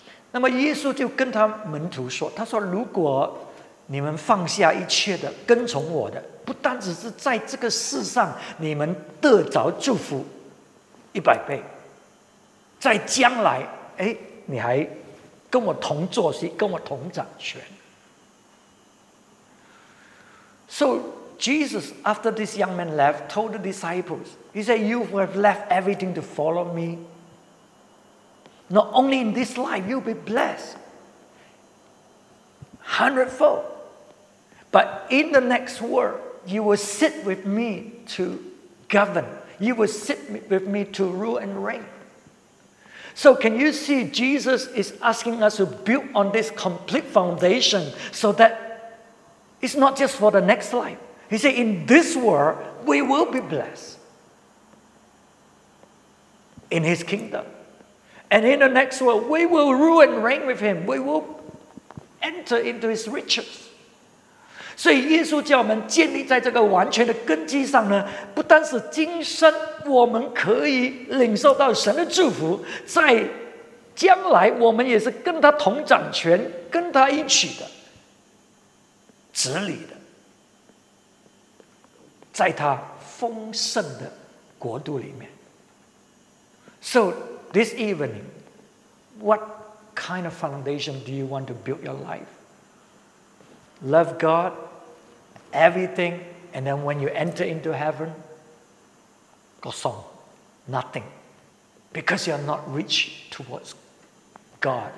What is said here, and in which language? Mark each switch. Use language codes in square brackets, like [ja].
[zh] 那么耶稣就跟他门徒说，他说，如果你们放下一切的跟从我的，不单只是在这个世上你们得着祝福100倍，在将来你还跟我同坐席，跟我同掌权。 [en] So Jesus, after this young man left, told the disciples, he said, you who have left everything to follow me, not only in this life you'll be blessed 100-fold, but in the next world,You will sit with me to govern. You will sit with me to rule and reign. So can you see Jesus is asking us to build on this complete foundation so that it's not just for the next life. He said in this world, we will be blessed in his kingdom. And in the next world, we will rule and reign with him. We will enter into his riches. [zh] 所以耶稣叫我们建立在这个完全的根基上呢，不单是今生我们可以领受到神的祝福，在将来我们也是跟他同掌权，跟他一起的治理的，在他丰盛的国度里面。 [en] So this evening, what kind of foundation do you want to build your life? Love GodEverything, and then when you enter into heaven, kosong, nothing, because you are not rich towards God.